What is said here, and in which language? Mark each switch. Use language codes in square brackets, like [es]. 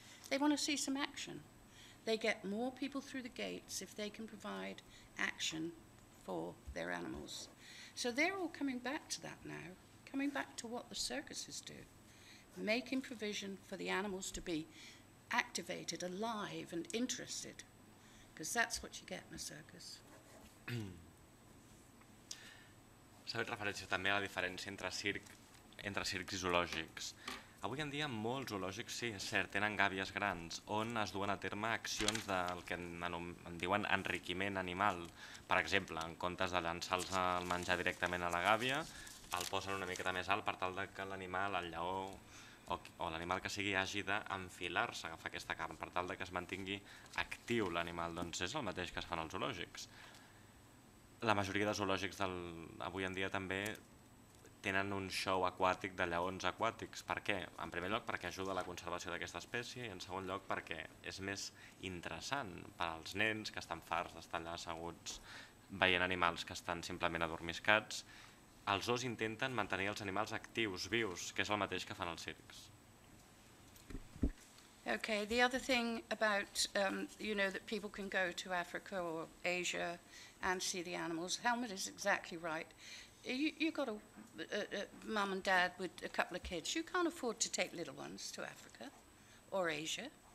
[en] They want to see some action. They get more people through the gates if they can provide action for their animals. So they're all coming back to that now, coming back to what the circuses do, making provision for the animals to be activated, alive and interested, because that's what you get in a circus. [ca] S'ha fet referència també a la diferència entre circ, entre circs i zoològics. Avui en dia molts zoològics, sí, és cert, tenen gàbies grans on es duen a terme accions del que en diuen enriquiment animal. Per exemple, en comptes de llançar-los el menjar directament a la gàbia, el posen una miqueta més alt per tal que l'animal, el lleó o l'animal que sigui, hagi d'enfilar-se, agafar aquesta cama, per tal que es mantingui actiu l'animal. Doncs és el mateix que es fan els zoològics. La majoria dels zoològics avui en dia també tenen un show aquàtic de lleons aquàtics. Per què? En primer lloc perquè ajuda a la conservació d'aquesta espècie i en segon lloc perquè és més interessant per als nens que estan farts d'estar allà asseguts veient animals que estan simplement adormiscats. Els zoos intenten mantenir els animals actius, vius, que és el mateix que fan els circs. [en] Okay, the other thing about, you know, that people can go to Africa or Asia and see the animals, Helmut is exactly right. You've got a mum and dad with a couple of kids. You can't afford to take little ones to Africa or Asia.